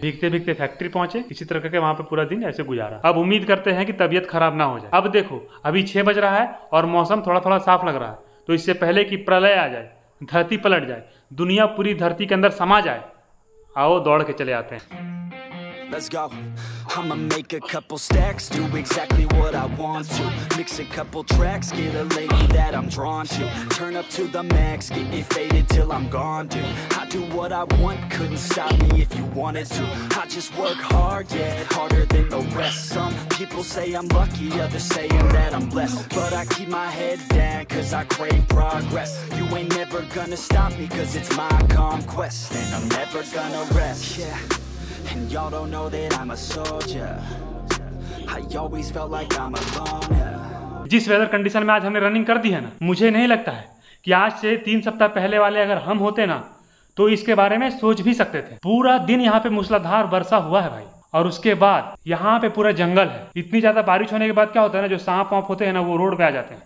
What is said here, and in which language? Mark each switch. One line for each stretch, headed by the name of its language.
Hindi: भीगते factory पहुंचे, इसी तरह के वहां पर पूरा दिन ऐसे गुजारा। अब उम्मीद करते हैं कि तबीयत खराब ना हो जाए। अब देखो अभी 6 बज रहा है और मौसम थोड़ा थोड़ा साफ लग रहा है, तो इससे पहले कि प्रलय आ जाए, धरती पलट जाए, दुनिया पूरी धरती के अंदर समा जाए, आओ दौड़ के चले आते हैं।
English: Let's go. I'ma make a couple stacks, do exactly what I want to. Mix a couple tracks, get a lady that I'm drawn to. Turn up to the max, get me faded till I'm gone, dude. I do what I want, couldn't stop me if you wanted to. I just work hard, yeah, harder than the rest. Some people say I'm lucky, others saying that I'm blessed. But I keep my head down, cause I crave progress. You ain't never gonna stop me, cause it's my conquest. And I'm never gonna rest, yeah. And y'all don't know that I'm a soldier. I always felt like I'm a loner.
Hindi: जिस weather condition में आज हमने running कर दी है ना, मुझे नहीं लगता है कि आज से 3 सप्ताह पहले वाले अगर हम होते ना तो इसके बारे में सोच भी सकते थे। पूरा दिन यहाँ पे मूसलाधार वर्षा हुआ है भाई, और उसके बाद यहाँ पे पूरा जंगल है। इतनी ज्यादा बारिश होने के बाद क्या होता है ना, जो सांप वाप होते हैं ना वो रोड पे आ जाते हैं।